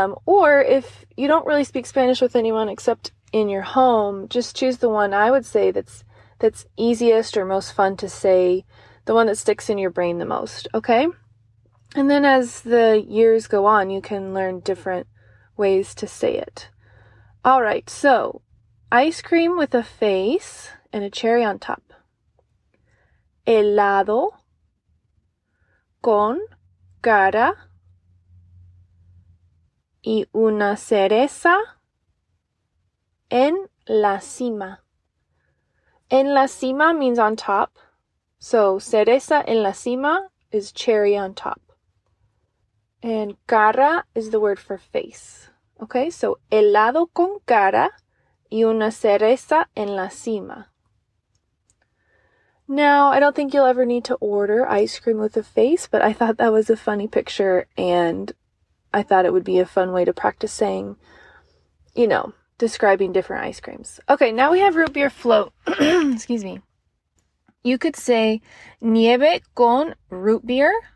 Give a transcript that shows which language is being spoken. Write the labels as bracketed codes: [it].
[en] Or if you don't really speak Spanish with anyone except in your home, just choose the one I would say that's easiest or most fun to say, the one that sticks in your brain the most, okay? And then as the years go on, you can learn different ways to say it. All right, so ice cream with a face and a cherry on top. [es] Helado con cara y una cereza en la cima. En la cima [en] means on top. So [es] cereza en la cima [en] is cherry on top. And cara is the word for face. Okay, so [es] helado con cara y una cereza en la cima. [en] Now, I don't think you'll ever need to order ice cream with a face, but I thought that was a funny picture, and I thought it would be a fun way to practice saying, you know, describing different ice creams. Okay, now we have root beer float. Excuse me. You could say [es] nieve con [en] root beer.